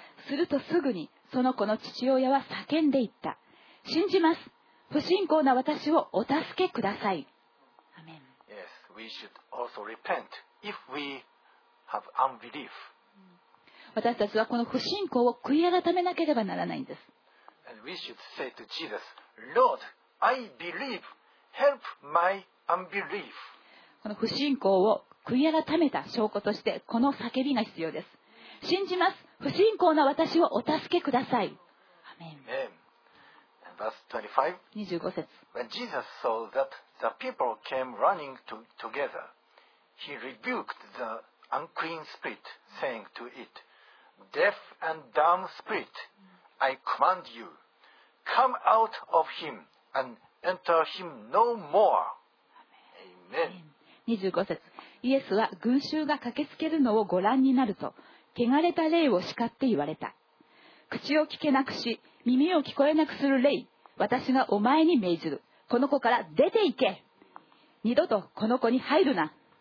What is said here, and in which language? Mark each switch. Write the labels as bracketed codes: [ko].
[ja] するとすぐにその子の父親は叫んでいった。信じます。不信仰な私をお助けください。 [en] Amen. Yes, we should also repent if we have unbelief. [ja] 私たちはこの不信仰を悔い改めなければならないんです。 [en] And we should say to Jesus, Lord, I believe. Help my unbelief. [ja] この不信仰を悔い改めた証拠としてこの叫びが必要です。信じます。不信仰な私をお助けください。アメン。 [en] Verse 25. [ja] 25節。 [en] When Jesus saw that the people came running together, he rebuked the unclean spirit, saying to it, deaf and dumb spirit, I command you, come out of him and enter him no more. Amen. [ja] 25節、イエスは群衆が駆けつけるのをご覧になると、汚れた霊を叱って言われた。口を聞けなくし、耳を聞こえなくする霊、私がお前に命ずる。この子から出て行け。二度とこの子に入るな。